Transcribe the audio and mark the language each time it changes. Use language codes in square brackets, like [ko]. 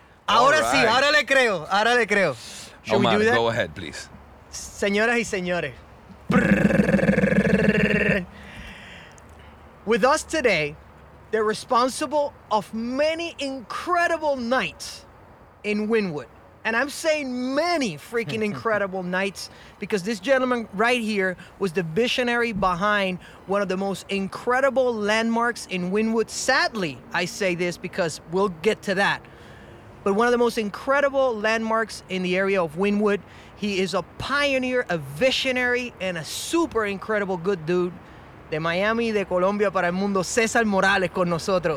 [es] Ahora right. Sí, ahora le creo, ahora le creo. [en] Should Omar, we do that? Go ahead, please. [es] Señoras y señores. Brrr. [en] With us today, they're responsible of many incredible nights in Wynwood. And I'm saying many freaking incredible nights because this gentleman right here was the visionary behind one of the most incredible landmarks in Wynwood. Sadly, I say this because we'll get to that. But one of the most incredible landmarks in the area of Wynwood. He is a pioneer, a visionary, and a super incredible good dude. [es] De Miami, de Colombia, para el mundo, Cesar Morales con nosotros.